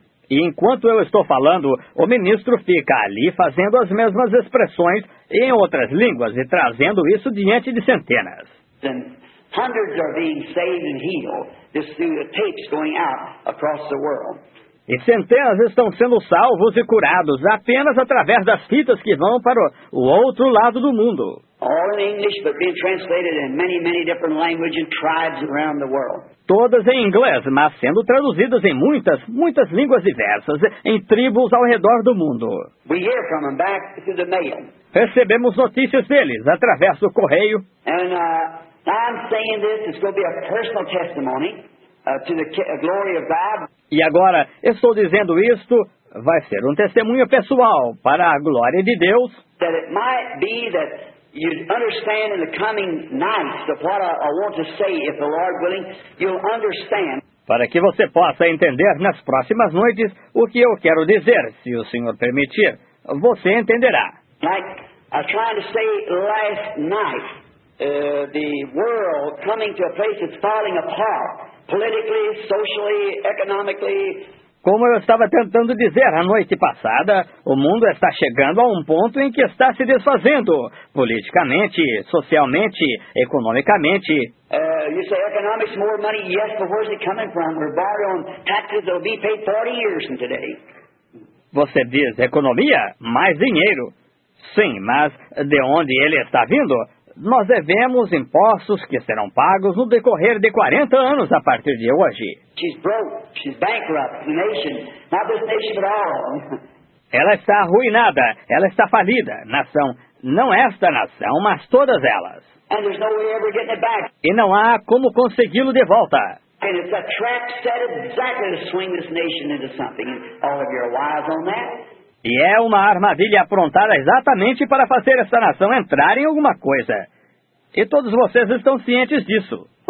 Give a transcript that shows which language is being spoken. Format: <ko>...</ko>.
<pt>E enquanto eu estou falando, o ministro fica ali fazendo as mesmas expressões em outras línguas e trazendo isso diante de centenas.</pt> <en>Hundreds are being saved and healed just through the tapes going out across the world.</en> <pt>E centenas estão sendo salvos e curados apenas através das fitas que vão para o outro lado do mundo.</pt> <en>All all English, but being translated in many, many different languages and tribes around the world.</en> <pt>Todas em inglês, mas sendo traduzidas em muitas, muitas línguas diversas, em tribos ao redor do mundo.</pt> <en>We hear from them back through the mail.</en> <pt>Recebemos notícias deles através do correio.</pt> <en>And I'm saying this, it's going to be a personal testimony to the glory of God.</en> <pt>E agora, estou dizendo isto, vai ser um testemunho pessoal para a glória de Deus.</pt> <en>That it might be that you'd understand in the coming nights that what I want to say, if the Lord willing, you'll understand.</en> <pt>Para que você possa entender nas próximas noites o que eu quero dizer, se o Senhor permitir, você entenderá.</pt> <en>Like I was trying to say last night, the world coming to a place that's falling apart, politically, socially, economically.</en> <pt>Como eu estava tentando dizer a noite passada, o mundo está chegando a um ponto em que está se desfazendo, politicamente, socialmente, economicamente.</pt> <en>You say economics more money? Yes, but where's it coming from? We're borrowing taxes that'll be paid 40 years from today.</en> <pt>Você diz economia? Mais dinheiro. Sim, mas de onde ele está vindo? Nós devemos impostos que serão pagos no decorrer de 40 anos a partir de hoje.</pt> <en>She's broke. She's bankrupt. The nation. Not this nation at all.</en> <pt>Ela está arruinada. Ela está falida. Nação. Não esta nação, mas todas elas.</pt> <en>And there's no way ever getting it back.</en> <pt>E não há como consegui-lo de volta.</pt> <en>And it's a trap set exactly to swing this nation into something. All of you are wise on that.</en> <pt>E é uma armadilha aprontada exatamente para fazer essa nação entrar em alguma coisa. E todos vocês estão cientes disso.</pt>